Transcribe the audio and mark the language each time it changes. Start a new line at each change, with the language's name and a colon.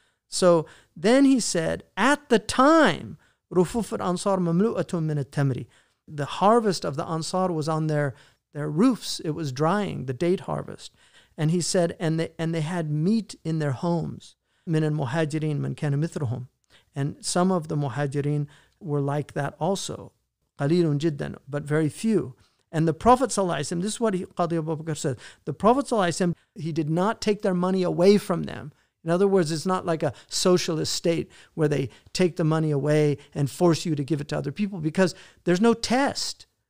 English: So then he said, at the time,
Arabic: رفوف الأنصار مملوءة من التمر.
English: The harvest of the Ansar was on their roofs. It was drying, the date harvest. And he said, and they had meat in their homes.
Arabic: من المهاجرين من كان مثلهم.
English: And some of the muhajirin were like that also.
Arabic: قليلٌ جداً,
English: but very few. And the Prophet ﷺ, this is what Qadi Abu Bakr said, the Prophet ﷺ, he did not take their money away from them. In other words, it's not like a socialist state where they take the money away and force you to give it to other people, because there's no test.